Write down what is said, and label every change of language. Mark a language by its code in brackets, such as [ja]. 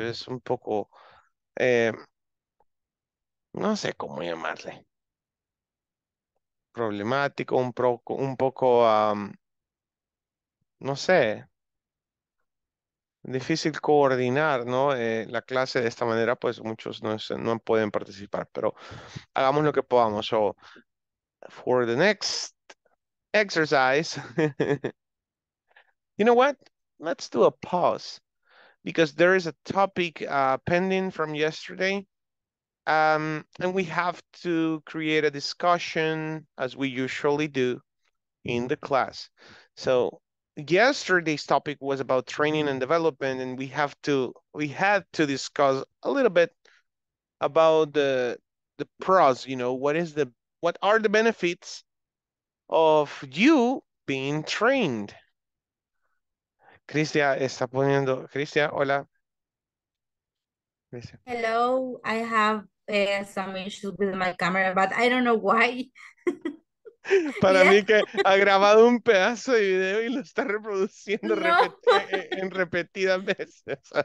[es] Es un poco, no sé cómo llamarle, problemático, un poco, no sé, difícil coordinar, ¿no? La clase de esta manera, pues muchos no pueden participar, pero hagamos lo que podamos. [en] So, for the next exercise, you know what, let's do a pause, because there is a topic pending from yesterday, and we have to create a discussion, as we usually do in the class. So yesterday's topic was about training and development, and we had to discuss a little bit about the pros, you know, what are the benefits of you being trained? [es] Cristia está poniendo. Cristia, hola. [en] Hello, I have some issues with my camera, but I don't know why. [es] Para mí que ha grabado un pedazo de video y lo está reproduciendo en repetidas veces.